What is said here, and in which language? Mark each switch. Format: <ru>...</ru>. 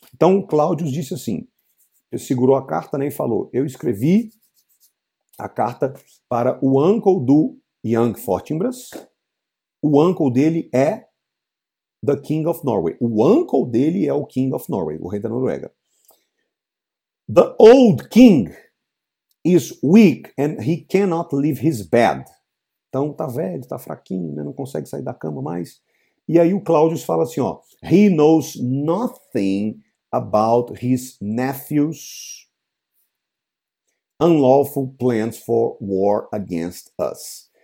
<pt>Então, o Cláudio disse assim. Ele segurou a carta, né, e falou. Eu escrevi a carta para o uncle do young Fortinbras. O uncle dele é</pt> <en>the king of Norway.</en> <pt>O uncle dele é o</pt> <en>king of Norway,</en> <pt>o rei da Noruega.</pt> <en>The old king is weak and he cannot leave his bed.</en> <pt>Então, tá velho, tá fraquinho, né? Não consegue sair da cama mais. E aí o Claudius fala assim, ó.</pt> <en>He knows nothing about his nephew's unlawful plans for war against us.</en>